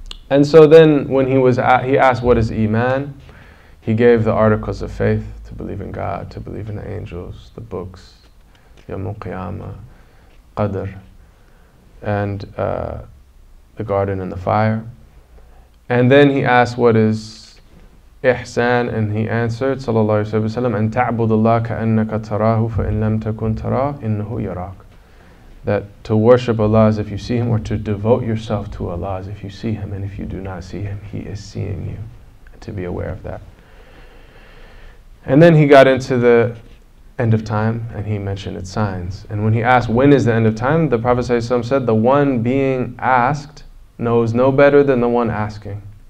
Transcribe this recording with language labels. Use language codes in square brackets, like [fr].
[en] And so then when he asked, what is Iman? He gave the articles of faith, to believe in God, to believe in the angels, the books, Yawmul Qiyamah, Qadr, and the garden and the fire. And then he asked, what is Ihsan? And he answered, [ar] Sallallahu Alaihi Wasallam, أن تعبد الله كأنك تراه فإن لم تكن تراه إنه يراك. [en] That to worship Allah as if you see Him, or to devote yourself to Allah as if you see Him, and if you do not see Him, He is seeing you. To be aware of that. And then he got into the end of time, and he mentioned its signs. And when he asked, when is the end of time? The Prophet ﷺ said, the one being asked knows no better than the one asking.